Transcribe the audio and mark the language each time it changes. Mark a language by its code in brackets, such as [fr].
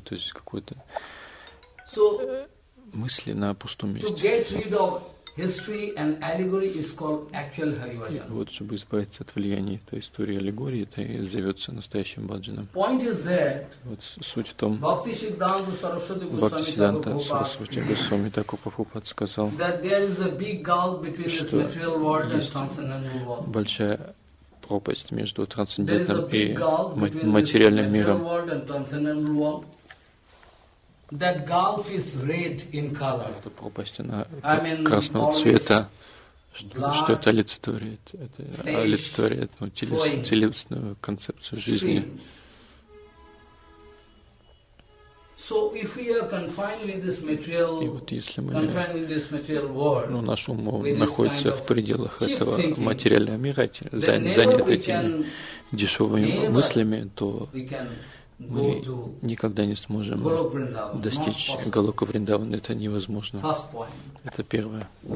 [ru] То есть какой-то мысли на пустом месте. [en] History and allegory is called actual Harivajan. [ru] Вот чтобы избавиться от влияния этой истории аллегории, это и зовется настоящим баджаном. [en] Point is that. [ru] Вот суть в том. Бхакти Сиддханта Сарасвати Госвами Тхакур Прабхупада сказал. [en] That there is a big gulf between this material world and transcendental world. [ru] Большая пропасть между трансцендентным и материальным миром. [en] That gulf is red in color. [ru] Эта пропасть, она красного цвета, что это олицетворяет? Это олицетворяет телесную концепцию жизни. [en] So if we are confined with this material, [ru] ну, наш ум находится в пределах этого материального мира, занят этими дешевыми мыслями, то мы никогда не сможем достичь Голока Вриндавана. Это невозможно. Это первое.